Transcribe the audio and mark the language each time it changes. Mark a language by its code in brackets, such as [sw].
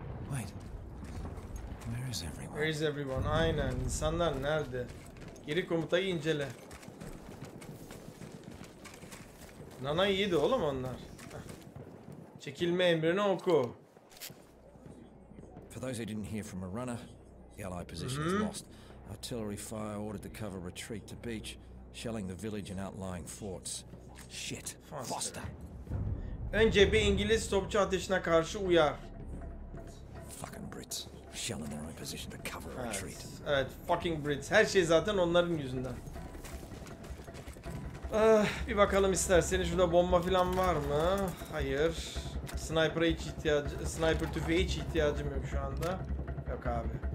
[en] Wait. Where is everyone? Where is everyone? [tr] Aynen. İnsanlar nerede? Geri komutayı incele. Nana iyiydi oğlum onlar. Çekilme emrini oku. [en] For those who didn't hear from a runner, the ally position is lost. Artillery fire ordered the cover retreat to beach, shelling the village and outlying forts. Shit. Foster. [tr] Önce bir İngiliz topçu ateşine karşı uyar. [en] Fucking Brits. Shelling their own position to cover a retreat. Evet, fucking Brits. [tr] Her şey zaten onların yüzünden. Bir bakalım isterseniz şurada bomba falan var mı? Hayır. Sniper'a hiç ihtiyacı, sniper tüfeğe hiç ihtiyacım yok şu anda. Yok abi.